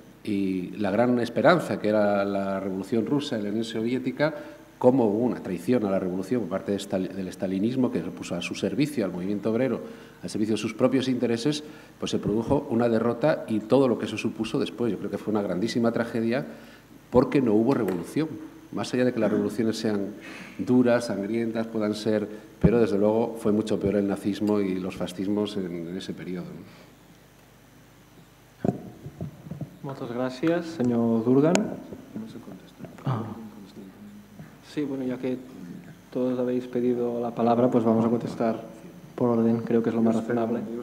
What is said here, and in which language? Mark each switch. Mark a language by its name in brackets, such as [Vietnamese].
[Spanish] Y la gran esperanza, que era la Revolución Rusa y la Unión Soviética, como una traición a la Revolución por parte del estalinismo, que lo puso a su servicio, al movimiento obrero, al servicio de sus propios intereses, pues se produjo una derrota y todo lo que eso supuso después. Yo creo que fue una grandísima tragedia porque no hubo revolución. Más allá de que las revoluciones sean duras, sangrientas, puedan ser, pero desde luego fue mucho peor el nazismo y los fascismos en ese periodo. [Catalan] Moltes gràcies, senyor Durgan. [Spanish] Sí, bueno, ya que todos habéis pedido la palabra, pues vamos a contestar por orden, creo que es lo más razonable.